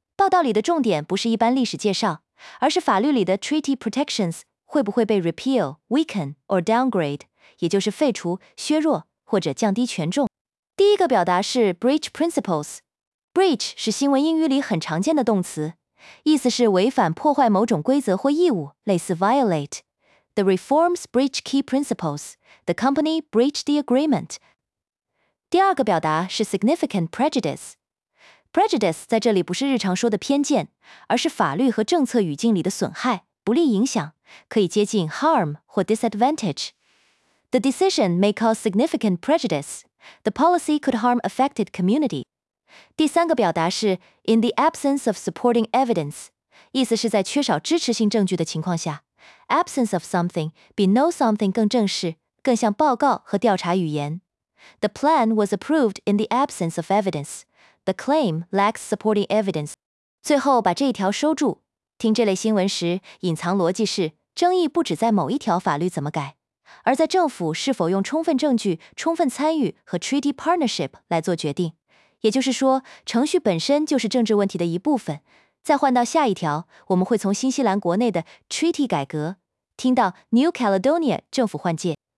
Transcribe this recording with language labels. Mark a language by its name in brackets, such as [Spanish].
[Chinese] 报道里的重点不是一般历史介绍，而是法律里的 [English] Treaty Protections [Chinese] 会不会被 [English] Repeal, Weaken, or Downgrade, [Chinese] 也就是废除、削弱或者降低权重。第一个表达是 breach principles。breach 是新闻英语里很常见的动词，意思是违反破坏某种规则或义务，类似 violate。 [English] The reforms breach key principles. The company breached the agreement. [Chinese] 第二个表达是 significant prejudice。prejudice 在这里不是日常说的偏见，而是法律和政策语境里的损害、不利影响，可以接近 harm 或 disadvantage。 [English] The decision may cause significant prejudice. The policy could harm affected community. [Chinese] 第三个表达是 [English] in the absence of supporting evidence, [Chinese] 意思是在缺少支持性证据的情况下。 Absence of something 比 no something 更正式，更像报告和调查语言。 [English] The plan was approved in the absence of evidence. The claim lacks supporting evidence. [Chinese] 最后把这一条收住，听这类新闻时隐藏逻辑是争议不止在某一条法律怎么改，而在政府是否用充分证据、充分参与和 [English] treaty partnership [Chinese] 来做决定。也就是说，程序本身就是政治问题的一部分。再换到下一条，我们会从新西兰国内的 treaty 改革听到 New Caledonia 政府换届。